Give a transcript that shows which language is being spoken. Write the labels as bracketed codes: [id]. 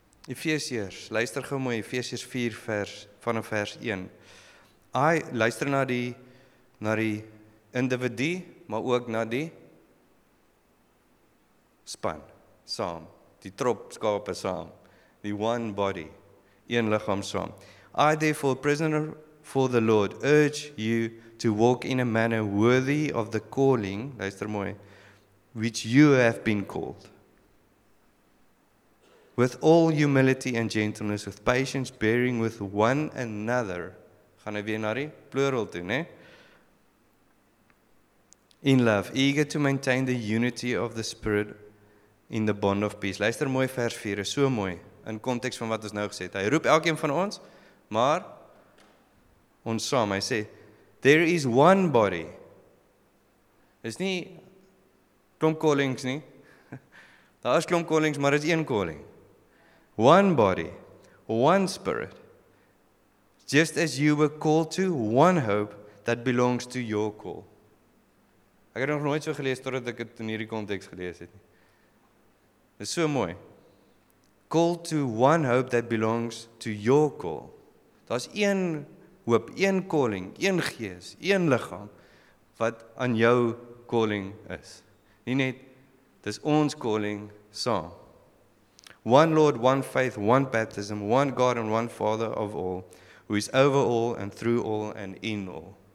[af] Efesiërs, luister gou mooi, Efesiërs 4 vers, vanaf vers 1. I luister na die individu, maar ook na die span, saam. Die trop skape saam, the one body, een liggaam saam. [en] I therefore, prisoner for the Lord, urge you to walk in a manner worthy of the calling, luister mooi, which you have been called. With all humility and gentleness, with patience, bearing with one another, gaan hy weer na die plural toe, ne? In love, eager to maintain the unity of the Spirit, in the bond of peace. [af] Luister mooi vers 4, is so mooi, in context van wat ons nou gesê het. Hy roep elkeen van ons, maar, ons saam, hy sê, there is one body, is nie, klomp callings nie, Daar is klomp callings, maar dit is een calling. [en] One body, one spirit, just as you were called to one hope that belongs to your call. [af] Ek het nog nooit so gelees totdat ek het in hierdie context gelees het. Dit is so mooi. [en] Called to one hope that belongs to your call. [af] Daar is een hoop, een calling, een gees, een lichaam, wat aan jou calling is. Nie net, dis ons calling saam. [en] One Lord, one faith, one baptism, one God and one Father of all, who is over all and through all and in all.